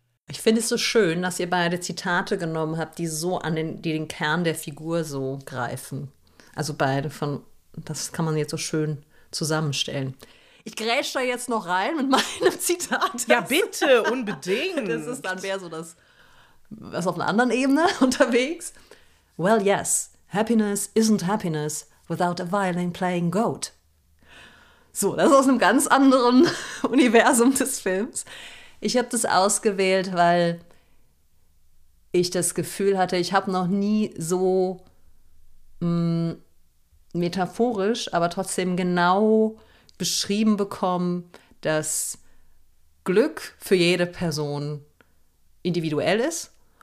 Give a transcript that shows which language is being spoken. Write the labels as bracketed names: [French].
[German] Ich finde es so schön, dass ihr beide Zitate genommen habt, die so an den, die den Kern der Figur so greifen. Also beide von, das kann man jetzt so schön zusammenstellen. Ich grätsche da jetzt noch rein mit meinem Zitat. Ja, bitte, unbedingt. Das ist dann mehr so das, was auf einer anderen Ebene unterwegs. [English] Well, yes, happiness isn't happiness without a violin playing goat. [German] So, das ist aus einem ganz anderen Universum des Films. Ich habe das ausgewählt, weil ich das Gefühl hatte, ich habe noch nie so metaphorisch, aber trotzdem genau beschrieben bekommen, dass Glück für jede Person individuell ist.